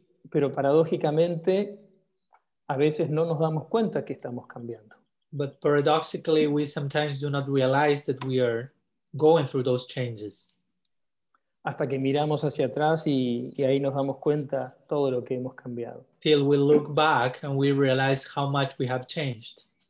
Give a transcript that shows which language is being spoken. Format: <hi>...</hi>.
<es>Pero paradójicamente, a veces no nos damos cuenta que estamos cambiando.</es> <en>But paradoxically, we sometimes do not realize that we are going through those changes.</en> <es>Hasta que miramos hacia atrás y ahí nos damos cuenta todo lo que hemos cambiado.</es> <en>Till we look back and we realize how much we have changed.</en>